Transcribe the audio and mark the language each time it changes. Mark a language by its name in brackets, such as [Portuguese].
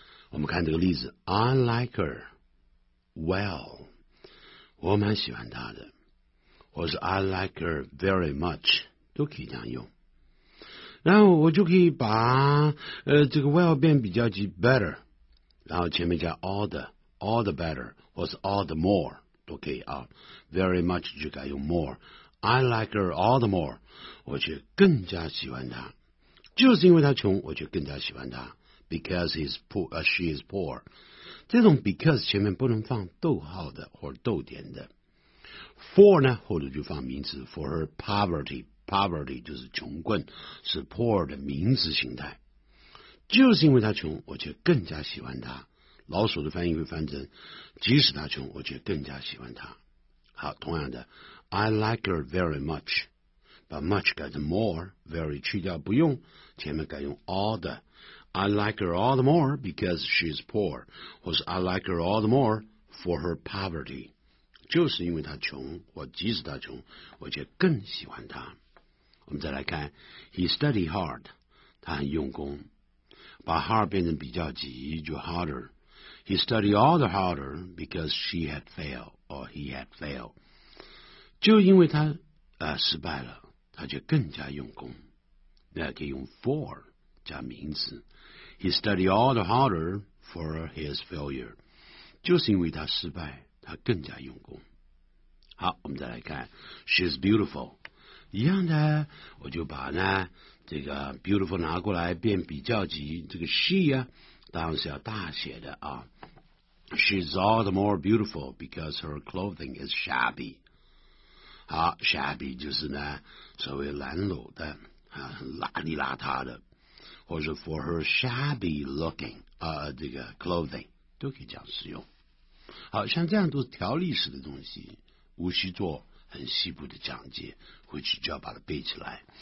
[Chinese] 我们看这个例子 [English] I like her well [Chinese] 我蛮喜欢她的，或是 [English] I like her very much [Chinese] 都可以这样用，然后我就可以把这个 well 变比较级 better， 然后前面加 [English] all the better [Chinese] 或是 [English] all the more [Chinese] 都可以啊。 [English] very much [Chinese] 就改用 more， [English] I like her all the more [Chinese] 我却更加喜欢她，就是因为她穷我却更加喜欢她， [English] Because he's poor, she is poor. [Chinese] 这种 because 前面不能放逗号的或者逗点的。 For 呢，或者就放名词 ， [English] for her poverty. [Chinese] Poverty 就是穷困，是 poor 的名词形态。就是因为他穷，我却更加喜欢他。老鼠的翻译会翻成：即使他穷，我却更加喜欢他。好，同样的 [English] ，I like her very much. [Chinese] 把 much 改成 more， very 去掉不用，前面改用 all the。 [English] I like her all the more because she's poor. [Chinese] 或是 [English] I like her all the more for her poverty. [Chinese] 就是因为她穷，或即使她穷，我却更喜欢她。我们再来看 ， [English] He studied hard. [Chinese] 他很用功。把 hard 变成比较级，就 harder. [English] He studied all the harder because she had failed or he had failed. [Chinese] 就因为他失败了，他就更加用功。那可以用 for 加名词。 [English] He studied all the harder for his failure. [Chinese] 就是因为他失败，他更加用功。好，我们再来看 ， [English] She's beautiful. [Chinese] 一样的，我就把呢这个 beautiful 拿过来变比较级，这个 she 啊，当然是要大写的啊。 [English] She's all the more beautiful because her clothing is shabby. [Chinese] 好 ，shabby 就是呢所谓褴褛的啊，邋里邋遢的。或者 [English] for her shabby looking [Chinese] 啊、这个 clothing 都可以这样使用。好像这样都是条例式的东西，无需做很细部的讲解，回去就要把它背起来。